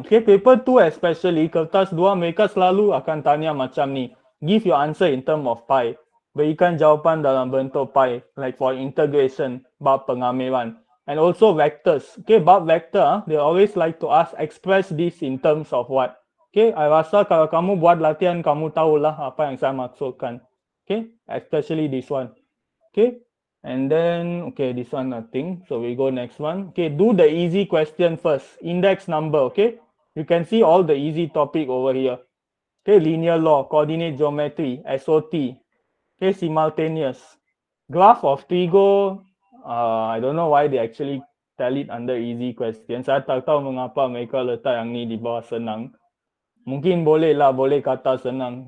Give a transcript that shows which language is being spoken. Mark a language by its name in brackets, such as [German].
[Malay] Okay, [English] paper 2 especially, [Malay] kertas 2, mereka selalu akan tanya macam ni. [English] Give your answer in term of pi. [Malay] Berikan jawapan dalam bentuk pi. [English] Like for integration, [Malay] bab pengamiran. [English] And also vectors. Okay, [Malay] bab vector, [English] they always like to ask, express this in terms of what? [Malay] Okay, I rasa kalau kamu buat latihan, kamu tahulah apa yang saya maksudkan. [English] Okay, especially this one. Okay. And then, okay, this one nothing. So we go next one. Okay, do the easy question first. Index number, okay? You can see all the easy topic over here. Okay, linear law, coordinate geometry, SOT. Okay, simultaneous. Graph of trigo, I don't know why they actually tell it under easy questions. [Malay] Saya tak tahu mengapa mereka letak yang ni di bawah senang. Mungkin boleh lah, boleh kata senang.